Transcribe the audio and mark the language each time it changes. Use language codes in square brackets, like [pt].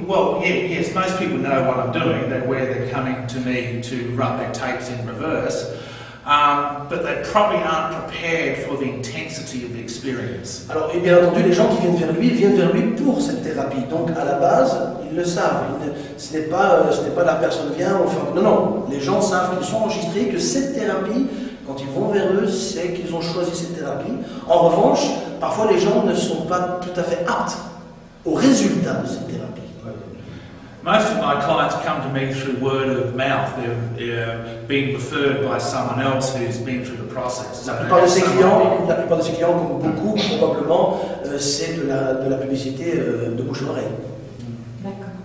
[en] Well, yeah, yes, most people know what I'm doing. That where they're coming to me to run their tapes in reverse, but they probably aren't prepared for the intensity of the experience. [fr] Alors, et bien entendu, les gens qui viennent vers lui pour cette thérapie. Donc, à la base. Ils le savent, ce n'est pas la personne vient, enfin, non, les gens savent qu'ils sont enregistrés, que cette thérapie, quand ils vont vers eux, c'est qu'ils ont choisi cette thérapie. En revanche, parfois les gens ne sont pas tout à fait aptes au résultat de cette thérapie. [en] Most of my clients come to me through word of mouth. They've been referred by someone else who's been through the process. [fr] La plupart de ces clients, comme beaucoup, probablement, c'est de la publicité de bouche à oreille.